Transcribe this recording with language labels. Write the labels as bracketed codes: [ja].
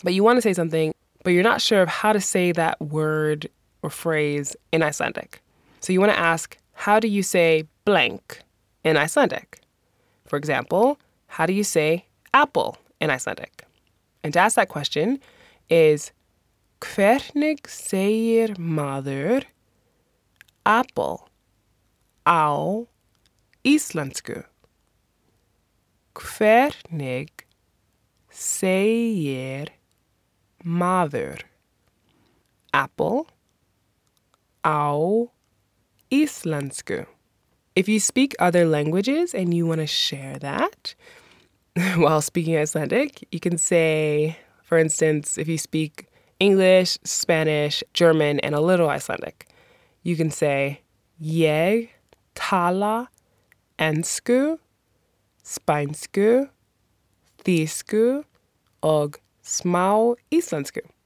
[en] But you want to say something, but you're not sure of how to say that word or phrase in Icelandic. So you want to ask, how do you say blank in Icelandic? For example, how do you say apple in Icelandic? And to ask that question is [is] hvernig segir maður apple á íslensku? Hvernig segir maður apple á íslensku? [en] If you speak other languages and you want to share that while speaking Icelandic, you can say, for instance, if you speak English, Spanish, German, and a little Icelandic, you can say, [is] Ég tala ensku, spænsku, þýsku, og smá íslensku.